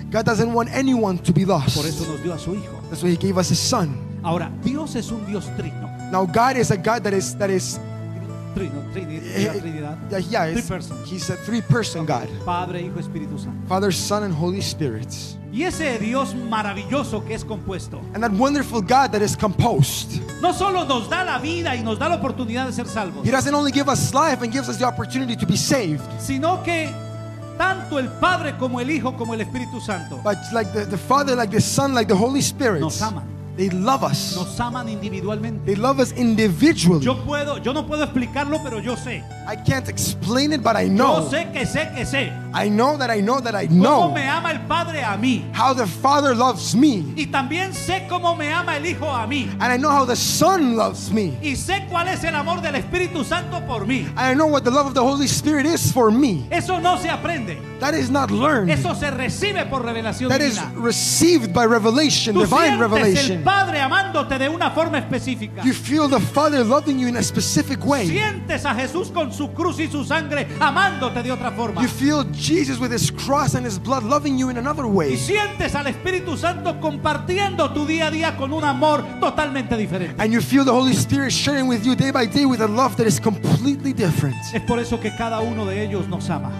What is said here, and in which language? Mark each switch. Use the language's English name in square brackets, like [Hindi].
[English] God doesn't want anyone to be lost. [Spanish] Por eso nos dio a su hijo. [English] That's why he gave us his son. [Spanish] Ahora, Dios es un Dios trino. [English] Now God is a God that is [Spanish] trino, Trinidad. Yeah, [English] three persons. He's a three-person okay. God. [Spanish] Padre, Hijo, Espíritu Santo. [English] Father, Son, and Holy Spirit. [Spanish] Y ese Dios maravilloso que es compuesto. [English] And that wonderful God that is composed. [Spanish] No solo nos da la vida y nos da la oportunidad de ser salvos. [English] He doesn't only give us life and gives us the opportunity to be saved. [Spanish] Sino que tanto el Padre como el Hijo como el Espíritu Santo. [English] But like the Father, like the Son, like the Holy Spirit. [Spanish] Nos aman. [English] They love us. [Spanish] Nos aman individualmente. [English] They love us individually. [Spanish] Yo no puedo explicarlo, pero yo sé. [English] I can't explain it, but I know. [Spanish] Yo sé que sé que sé. [English] I know that I know that I know. [Spanish] Cómo me ama el Padre a mí. [English] How the Father loves me. [Spanish] Y también sé cómo me ama el Hijo a mí. [English] And I know how the Son loves me. [Spanish] Y sé cuál es el amor del Espíritu Santo por mí. [English] And I know what the love of the Holy Spirit is for me. [Spanish] Eso no se aprende. [English] That is not learned. [Spanish] Eso se recibe por revelación divina. [English] That is received by revelation, divine revelation. [Spanish] Padre amándote de una forma específica. [English] You feel the Father loving you in a specific way. [Spanish] Sientes a Jesús con su cruz y su sangre amándote de otra forma. [English] You feel Jesus with his cross and his blood loving you in another way. [Spanish] Y sientes al Espíritu Santo compartiendo tu día a día con un amor totalmente diferente. [English] And you feel the Holy Spirit sharing with you day by day with a love that is completely different. [Spanish] Es por eso que cada uno de ellos nos ama.